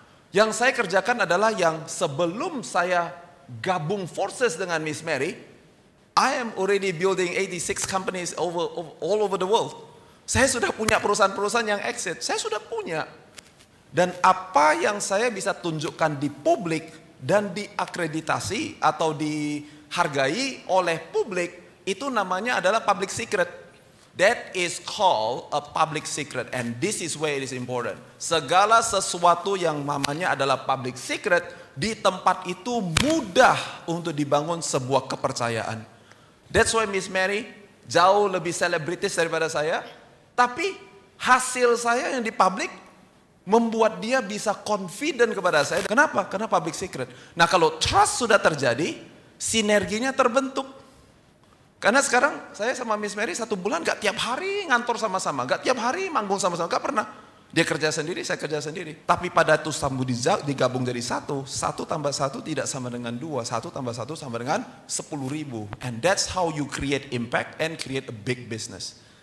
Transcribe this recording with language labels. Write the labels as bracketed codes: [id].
[id] Yang saya kerjakan adalah yang sebelum saya gabung forces dengan Miss Mary, [en] I am already building 86 companies all over the world. [id] Saya sudah punya perusahaan-perusahaan yang exit. Saya sudah punya. Dan apa yang saya bisa tunjukkan di publik dan diakreditasi atau dihargai oleh publik, itu namanya adalah public secret. [en] That is called a public secret. And this is where it is important. [id] Segala sesuatu yang namanya adalah public secret, di tempat itu mudah untuk dibangun sebuah kepercayaan. [en] That's why [id] Miss Mary jauh lebih selebritis daripada saya. Tapi hasil saya yang di publik membuat dia bisa confident kepada saya. Kenapa? Karena public secret. Nah, kalau trust sudah terjadi, sinerginya terbentuk. Karena sekarang saya sama Miss Mary satu bulan gak tiap hari ngantor sama-sama, gak tiap hari manggung sama-sama, gak pernah. Dia kerja sendiri, saya kerja sendiri. Tapi pada itu sambu digabung jadi satu, satu tambah satu tidak sama dengan dua, satu tambah satu sama dengan 10.000. [en] And that's how you create impact and create a big business.